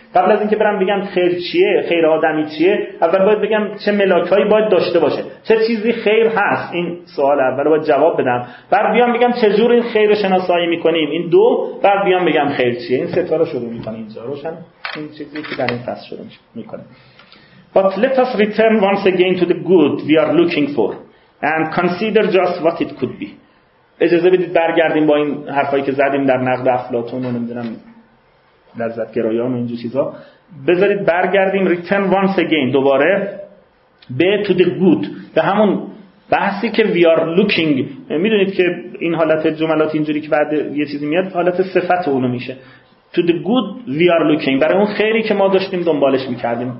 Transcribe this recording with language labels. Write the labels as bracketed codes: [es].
[fa] قبل از اینکه برام بگم خیر چیه، خیر آدمی چیه، اول باید بگم چه ملاکایی باید داشته باشه، چه چیزی خیر هست، این سوال اولو باید جواب بدم. بعد بیام بگم چه جور این خیر رو شناسایی میکنیم، این دو. بعد بیام بگم خیر چیه، این سه تا رو شروع میکنیم اینجا. روشن این چیزی که در این فصل شروع میکنه. [en] But let us return once again to the good we are looking for and consider just what it could be. [fa] اجازه بدید برگردیم با این حرفایی که زدیم در نقد افلاطون و نمیدونم لذت گرایان و این جور چیزا، بذارید برگردیم [en] return once again [fa] دوباره به [en] to the good، [fa] به همون بحثی که [en] we are looking. [fa] میدونید که این حالت جملات اینجوری که بعد یه چیزی میاد حالت صفت اونو میشه، [en] to the good we are looking، [fa] برای اون خیری که ما داشتیم دنبالش میکردیم.